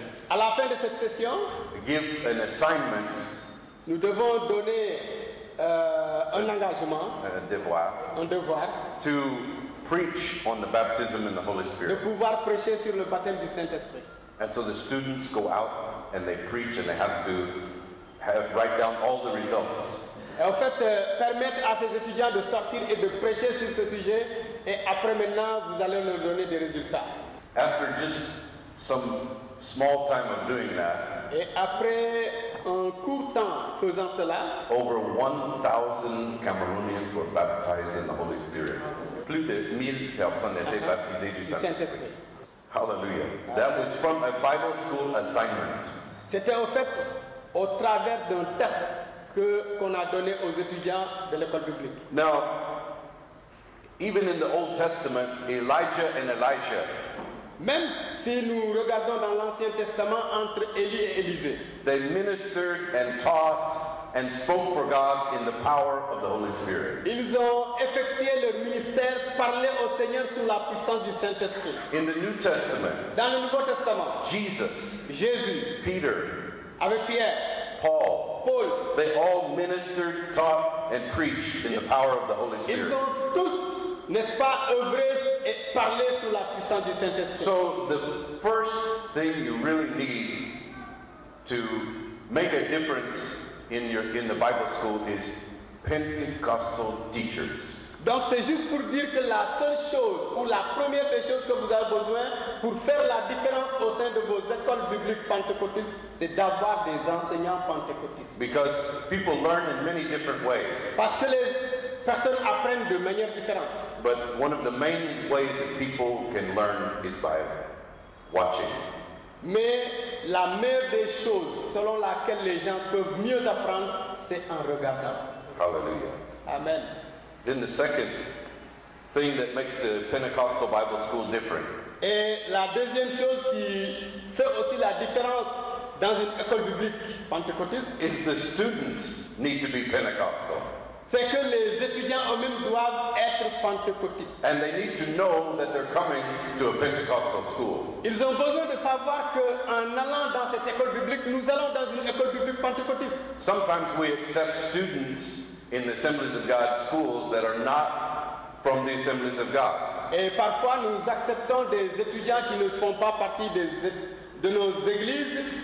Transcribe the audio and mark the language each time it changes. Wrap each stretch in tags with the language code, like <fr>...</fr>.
<fr>à la fin de cette session,</fr> <en>give an assignment.</en> <fr>Nous devons donner un engagement, un devoir,</fr> <en>to preach on the baptism in the Holy Spirit.</en> <fr>De pouvoir prêcher sur le baptême du Saint-Esprit.</fr> <en>And so the students go out and they preach and they have to write down all the results.</en> <fr>Et en fait, permettre à ces étudiants de sortir et de prêcher sur ce sujet, et après maintenant, vous allez leur donner des résultats.</fr> <en>After just some small time of doing that,</en> <fr>et après un court temps faisant cela,</fr> <en>over 1,000 Cameroonians were baptized in the Holy Spirit.</en> <fr>Plus de 1,000 personnes étaient baptisées du Saint-Esprit.</fr> <en>Hallelujah. That was from a Bible school assignment.</en> <fr>C'était en fait au travers d'un test qu'on a donné aux étudiants de l'école publique.</fr> <en>Now, even in the Old Testament, Elijah and Elisha.</en> <fr>Même si nous regardons dans l'Ancien Testament entre Élie et Élisée.</fr> <en>They ministered and taught and spoke for God in the power of the Holy Spirit.</en> <fr>Ils ont effectué leur ministère, parlé au Seigneur sous la puissance du Saint-Esprit.</fr> <en>In the New Testament.</en> <fr>Dans le Nouveau Testament.</fr> <en>Jésus. Peter.</en> <fr>Avec Pierre.</fr> <en>Paul. They all ministered, taught and preached in the power of the Holy Spirit.</en> <fr>Ils ont tous, n'est-ce pas, œuvré et parlé sous la puissance du Saint-Esprit.</fr> <en>So the first thing you really need to make a difference in the Bible school is Pentecostal teachers.</en> <fr>Donc c'est juste pour dire que la seule chose ou la première des choses que vous avez besoin pour faire la différence au sein de vos écoles bibliques pentecôtistes, c'est d'avoir des enseignants pentecôtistes.</fr> <en>Because people learn in many different ways.</en> <fr>Parce que les personnes apprennent de manière différente.</fr> <en>But one of the main ways that people can learn is by watching.</en> <fr>Mais la meilleure des choses selon laquelle les gens peuvent mieux apprendre, c'est en regardant.</fr> <en>Hallelujah. Amen. Then the second thing that makes the Pentecostal Bible School different.</en> <fr>Et la deuxième chose qui fait aussi la différence dans une école biblique pentecôtiste</fr> <en>is the students need to be Pentecostal.</en> <fr>C'est que les étudiants eux-mêmes doivent être pentecôtistes.</fr> <en>And they need to know that they're coming to a Pentecostal school.</en> <fr>Ils ont besoin de savoir que en allant dans cette école biblique, nous allons dans une école biblique pentecôtiste.</fr> <en>Sometimes we accept students in the Assemblies of God schools that are not from the Assemblies of God.</en> <fr>Et parfois nous acceptons des étudiants qui ne font pas partie de nos églises.</fr>